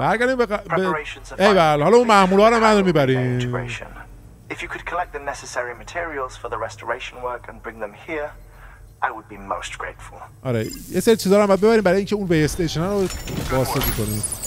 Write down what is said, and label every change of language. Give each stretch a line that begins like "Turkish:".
Persian: برگردیم ایول، حالا اون معمولا رو منو میبریم.
English: If you could collect the necessary materials for the restoration work and bring them here, I would be most grateful.
Persian: آره، یه سری چیزا رو ببریم برای اینکه اون وی استیشن رو بازسازی کنیم.